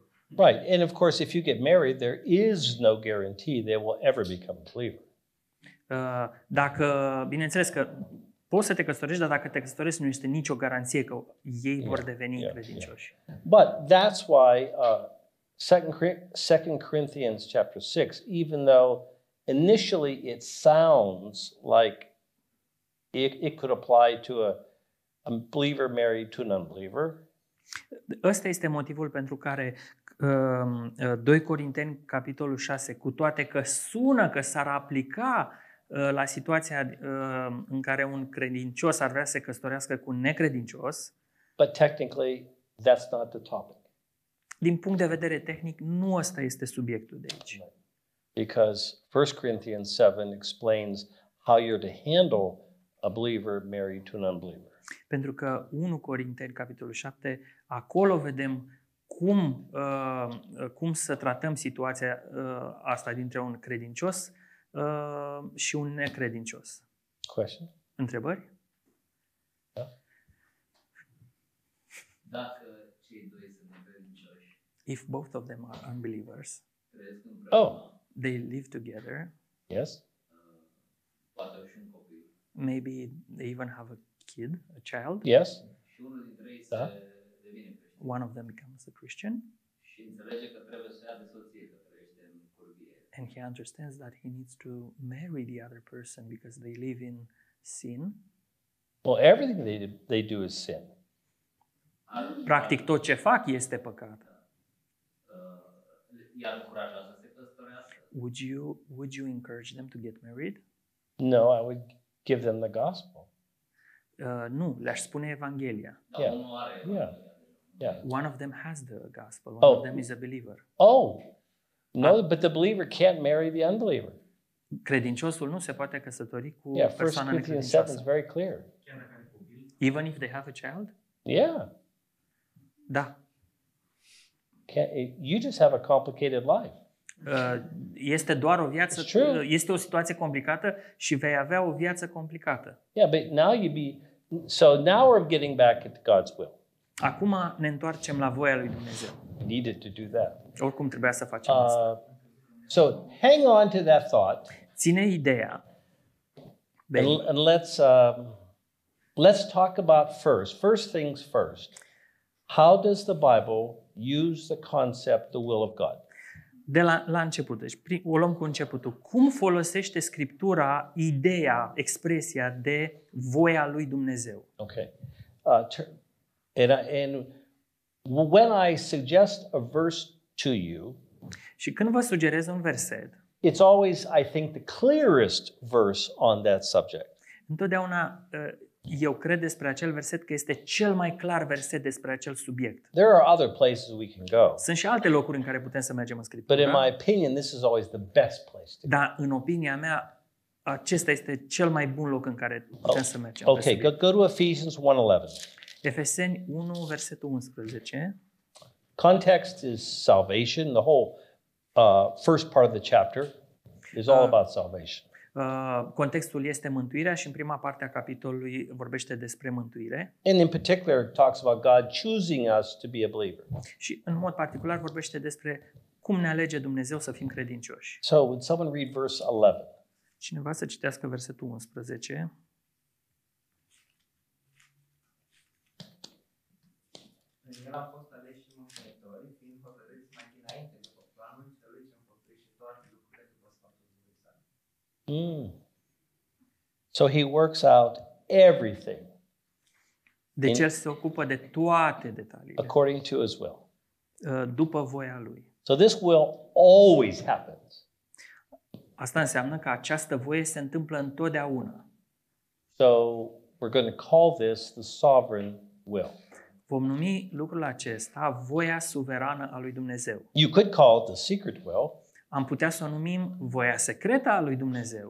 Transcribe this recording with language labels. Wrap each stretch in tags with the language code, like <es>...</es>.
<en>Right, and of course, if you get married, there is no guarantee they will ever become a believer.</en> <ro>Dacă, bineînțeles că poți să te căsătorești, dar dacă te căsătorești, nu este nicio garanție că ei vor deveni credincioși.</ro> <en>Yeah. But that's why... 2 Corinthians chapter 6, even though initially it sounds like it could apply to a believer married to an unbeliever.</en> <ro>Ăsta este motivul pentru care 2 Corinteni capitolul 6, cu toate că sună că s-ar aplica la situația în care un credincios ar vrea să se căsătorească cu un necredincios,</ro> <en>But technically, that's not the topic.</en> <ro>Din punct de vedere tehnic, nu ăsta este subiectul de aici.</ro> <en>Because 1 Corinthians 7 explains how you're to handle a believer married to an unbeliever.</en> <ro>Pentru că 1 Corinteni capitolul 7, acolo vedem cum cum să tratăm situația asta dintre un credincios și un necredincios.</ro> <en>Question?</en> <ro>Întrebări? Da. Dacă cei doi sunt necredincioși.</ro> <en>If both of them are unbelievers. Oh, they live together. Yes.</en> <ro>Poate și un copil.</ro> <en>Maybe they even have a kid, a child. Yes.</en> <ro>Și unul dintre ei să devine creștin.</ro> <en>One of them becomes a Christian.</en> <ro>Și înțelege că trebuie să ia de soție, că trăiește în curvie.</ro> <en>And he understands that he needs to marry the other person because they live in sin. Well, everything they do is sin.</en> <ro>Practic tot ce fac este păcat. Ia încurajează să se căsătorească.</ro> <en>Would you encourage them to get married? No, I would give them the gospel.</en> <ro>Nu, le-aș spune Evanghelia. Yeah. Unul are Evanghelia.</ro> <en>Yeah. Yeah. One of them has the gospel. One of them is a believer. Oh. No, but the believer can't marry the unbeliever.</en> <ro>Credinciosul nu se poate căsători cu persoana necredincioasă.</ro> <en>Yeah, 1 Corinthians 7 is very clear. Even if they have a child? Yeah.</en> <ro>Da.</ro> <en>You just have a complicated life.</en> <ro>Este doar o viață, este o situație complicată și vei avea o viață complicată.</ro> <en>Yeah, but now you be so now we're getting back at God's will.</en> <ro>Acum ne întoarcem la voia lui Dumnezeu.</ro> <en>Needed to do that.</en> <ro>Oricum trebuia să facem asta.</ro> <en>So hang on to that thought.</en> <ro>Ține ideea.</ro> <en>And let's talk about first things first. How does the Bible use the concept the will of God?</en> <ro>De la început, deci o luăm cu începutul. Cum folosește Scriptura ideea, expresia de voia lui Dumnezeu?</ro> <en>Okay. And when I suggest a verse to you,</en> <ro>și când vă sugerez un verset,</ro> <en>it's always, I think, the clearest verse on that subject.</en> <ro>Întotdeauna eu cred despre acel verset că este cel mai clar verset despre acel subiect.</ro> <en>There are other places we can go.</en> <ro>Sunt și alte locuri în care putem să mergem în Scriptură.</ro> <en>But in my opinion, this is always the best place to go.</en> <ro>Dar în opinia mea, acesta este cel mai bun loc în care putem să mergem.</ro> <en>Okay, go to Ephesians 1:11.</en> <ro>Efeseni 1, versetul 11.</ro> <en>Context is salvation. The whole first part of the chapter is all about salvation.</en> <ro>Contextul este mântuirea și în prima parte a capitolului vorbește despre mântuire.</ro> <en>And in particular talks about God choosing us to be a believer.</en> <ro>Și în mod particular vorbește despre cum ne alege Dumnezeu să fim credincioși.</ro> <en>So, would someone read verse 11?</en> <ro>Cineva să citească versetul 11. El a fost ales și mântuitor, fiind hotărât mai dinainte după planul celui ce împotrivește toate lucrurile după sfatul Dumnezeu.</ro> <en>So he works out everything.</en> <ro>Deci el se ocupă de toate detaliile.</ro> <en>According to his will.</en> <ro>După voia lui.</ro> <en>So this will always happens.</en> <ro>Asta înseamnă că această voie se întâmplă întotdeauna.</ro> <en>So we're going to call this the sovereign will.</en> <ro>Vom numi lucrul acesta voia suverană a lui Dumnezeu.</ro> <en>You could call it the secret will.</en> <ro>Am putea să o numim voia secretă a lui Dumnezeu.</ro>